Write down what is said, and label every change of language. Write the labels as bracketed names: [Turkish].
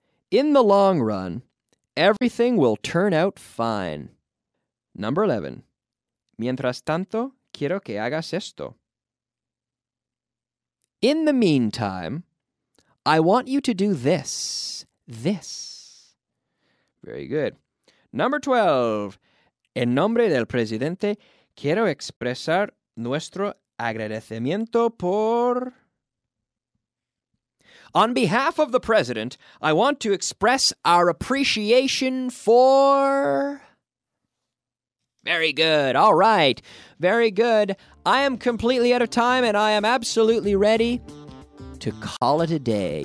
[English] In the long run, everything will turn out fine. Number 11. [Spanish] Mientras tanto, quiero que hagas esto. [English] In the meantime, I want you to do this. This. Very good. Number 12. [Spanish] En nombre del presidente, quiero expresar nuestro agradecimiento por... [English] On behalf of the president, I want to express our appreciation for... Very good. All right. Very good. I am completely out of time, and I am absolutely ready to call it a day.